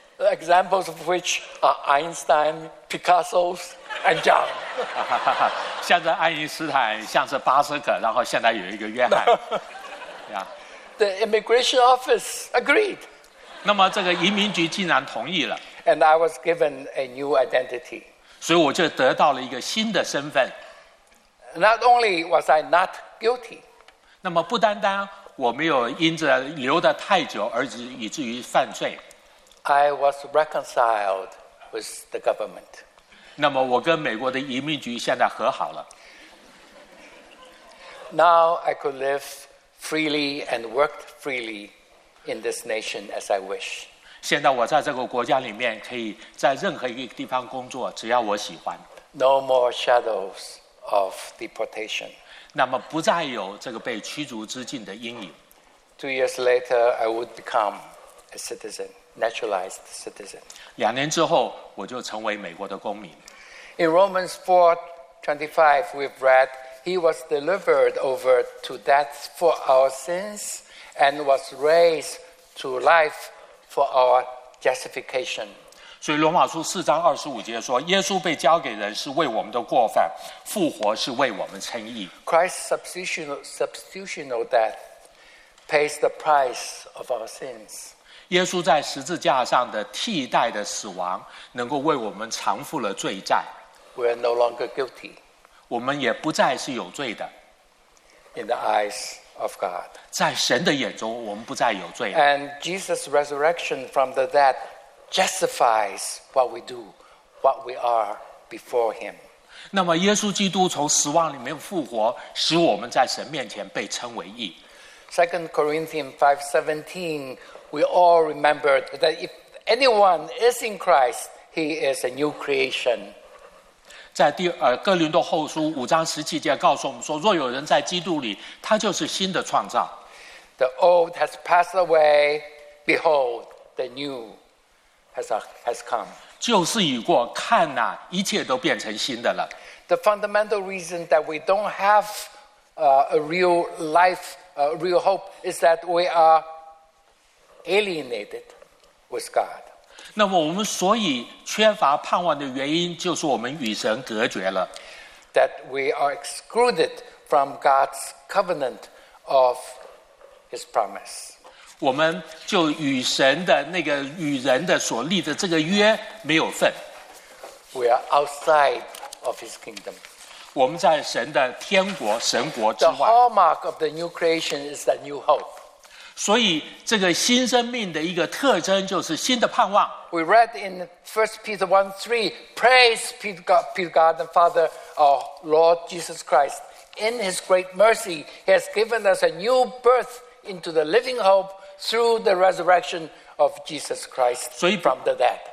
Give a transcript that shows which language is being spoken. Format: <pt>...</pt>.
<en>Examples of which are Einstein, Picasso's, and John.</en> <zh>像是爱因斯坦，像是巴斯克，然后现在有一个约翰。</zh> <en>No. Yeah. The immigration office agreed.</en> <zh>那么这个移民局竟然同意了。</zh> <en>And I was given a new identity.</en> <zh>所以我就得到了一个新的身份。</zh> <en>Not only was I not guilty.</en> <zh>那么不单单我没有因着留得太久而以至于犯罪。</zh> <en>I was reconciled with the government.</en> <zh>那么我跟美国的移民局现在和好了。</zh> <en>Now I could live freely and work freely in this nation as I wish.</en> <zh>现在我在这个国家里面可以在任何一个地方工作，只要我喜欢。</zh> <en>No more shadows of deportation.</en> <zh>那么不再有这个被驱逐之境的阴影。</zh> <en>2 years later, I would become a citizen. Naturalized citizen.</en> <zh>两年之后，我就成为美国的公民。</zh> <en>In Romans 4:25, we've read, He was delivered over to death for our sins and was raised to life for our justification.</en> <zh>所以罗马书四章二十五节说，耶稣被交给人是为我们的过犯，复活是为我们称义。</zh> <en>Christ's substitutional death pays the price of our sins.</en> <zh>耶稣在十字架上的替代的死亡，能够为我们偿付了罪债。</zh> <en>We are no longer guilty.</en> <zh>我们也不再是有罪的。</zh> <en>In the eyes of God.</en> <zh>在神的眼中，我们不再有罪。</zh> <en>And Jesus' resurrection from the dead justifies what we do, what we are before Him.</en> <zh>那么，耶稣基督从死亡里面复活，使我们在神面前被称为义。</zh> <en>2 Corinthians 5:17. We all remember that if anyone is in Christ, he is a new creation.</en> <zh>在哥林多后书五章十七节告诉我们说，若有人在基督里，他就是新的创造。</zh> <en>The old has passed away; behold, the new has come.</en> <zh>旧事已过，看哪，一切都变成新的了。</zh> <en>The fundamental reason that we don't have a real hope is that we are. Alienated with God.</en> <zh>那么我们所以缺乏盼望的原因，就是我们与神隔绝了。</zh> <en>That we are excluded from God's covenant of His promise.</en> <zh>我们就与神的那个与人的所立的这个约没有份。</zh> <en>We are outside of His kingdom.</en> <zh>我们在神的天国、神国之外。</zh> <en>The hallmark of the new creation is the new hope.</en> <zh>所以这个新生命的一个特征就是新的盼望。</zh> <en>We read in 1 Peter 1:3, Praise be to God and Father, our Lord Jesus Christ. In His great mercy, He has given us a new birth into the living hope through the resurrection of Jesus Christ from the dead.</en>